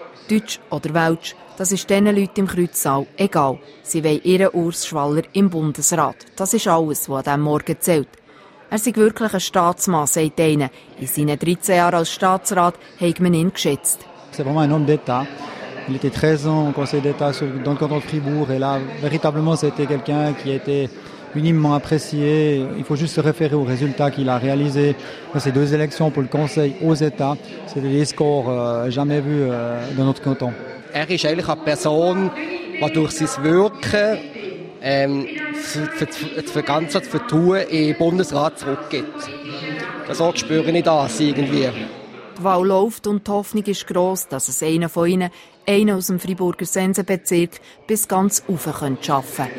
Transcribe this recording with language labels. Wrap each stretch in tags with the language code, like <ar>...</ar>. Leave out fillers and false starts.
<de>Deutsch oder Welsch, das ist diesen Leuten im Kreuzsaal egal. Sie wollen ihren Urs Schwaller im Bundesrat. Das ist alles, was an diesem Morgen zählt. Er sei wirklich ein Staatsmann, sagt einer. In seinen 13 Jahren als Staatsrat hat man ihn geschätzt. Es ist wirklich ein Homme d'État.</de> <fr>Il était 13 ans au conseil d'État sur, dans le canton de Fribourg et là, véritablement, c'était quelqu'un qui a été unanimement apprécié. Il faut juste se référer aux résultats qu'il a réalisés dans ces deux élections pour le conseil aux États. C'était des scores jamais vus dans notre canton.</fr> <de>Er ist eigentlich eine Person, die durch sein Wirken für ganze Vertrauen im Bundesrat zurückgibt. Das auch spüre ich das irgendwie. Die Wahl läuft und die Hoffnung ist gross, dass es einer von ihnen, einer aus dem Freiburger Sensenbezirk, bis ganz rauf arbeiten könnte.</de>